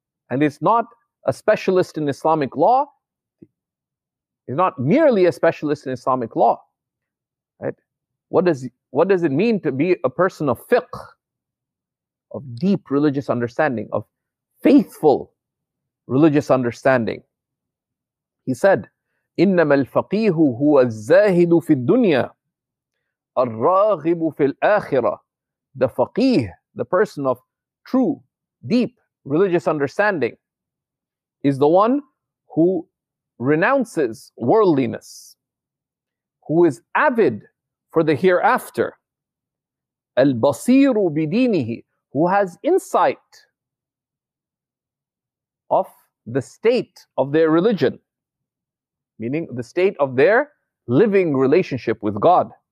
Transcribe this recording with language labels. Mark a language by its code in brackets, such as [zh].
[en] And it's not a specialist in Islamic law. He's not merely a specialist in Islamic law. Right? What does it mean to be a person of fiqh, of deep religious understanding, of faithful religious understanding? He said, [ar] إِنَّمَا الْفَقِيهُ هُوَ الزَّاهِدُ فِي الدُّنْيَا الرَّاغِبُ فِي الْآخِرَةِ. [en] The faqih, the person of true, deep religious understanding, is the one who renounces worldliness, who is avid for the hereafter. [ar] Al-basiru bidinihi, [en] who has insight of the state of their religion, meaning the state of their living relationship with God.